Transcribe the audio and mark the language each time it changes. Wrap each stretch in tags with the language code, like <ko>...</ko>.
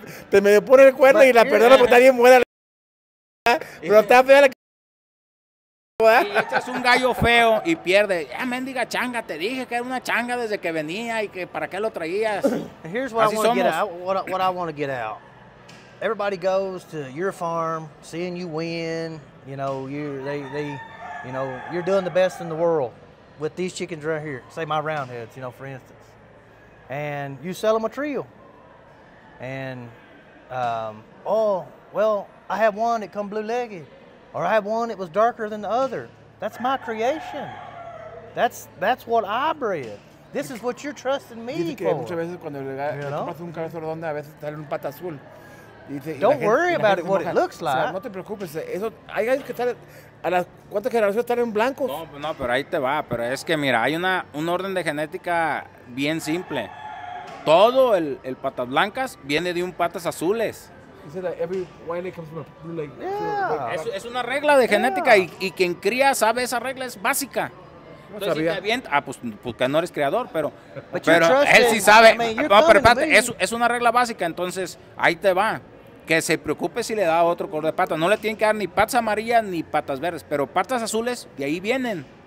<es>Te medio pone el cuerno y la perdona porque está bien buena. Pero está fea la y echas un gallo feo y pierde. Ya, mendiga changa, te dije que era una changa desde que venía y que para qué lo traías.</es> <en>Here's what</en> <es>así</es> <en>I want to get out. What I want to get out. Everybody goes to your farm, seeing you win. You know, you're doing the best in the world with these chickens right here. Say my roundheads, you know, for instance. And you sell them a trio. And, I have one that come blue-legged. Or I have one that was darker than the other. That's my creation. That's what I bred. This is what you're trusting me for.</en> <es>Muchas veces cuando le compras un cabezo redondo, a veces sale un pata azul.</es> <en>Don't worry about what it looks like.</en> <es>No te preocupes. Eso, hay gallos que están a las cuantas generaciones están en blancos. No, pero ahí te va. Pero es que mira, hay un orden de genética bien simple. Todo el patas blancas viene de un patas azules.</es> <en>You said that every white leg comes from a blue leg. Yeah.</en> <es>Es una regla de genética y quien cría sabe esa regla, es básica. Entonces, si te avienta, porque no eres creador, pero él sí sabe. No, pero espérate, es una regla básica, entonces ahí te va. Que se preocupe si le da otro color de patas. No le tienen que dar ni patas amarillas ni patas verdes, pero patas azules, de ahí vienen.</es>